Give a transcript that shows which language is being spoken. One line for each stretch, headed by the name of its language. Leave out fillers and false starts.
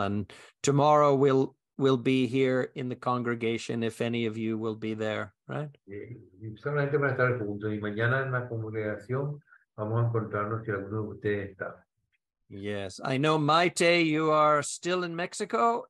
English: And tomorrow we'll be here in the congregation if any of you will be there, right?
Spanish: Solamente para estar juntos. Y mañana en la congregación vamos a encontrarnos si alguno de ustedes está.
English: Yes. I know, Maite, you are still in Mexico.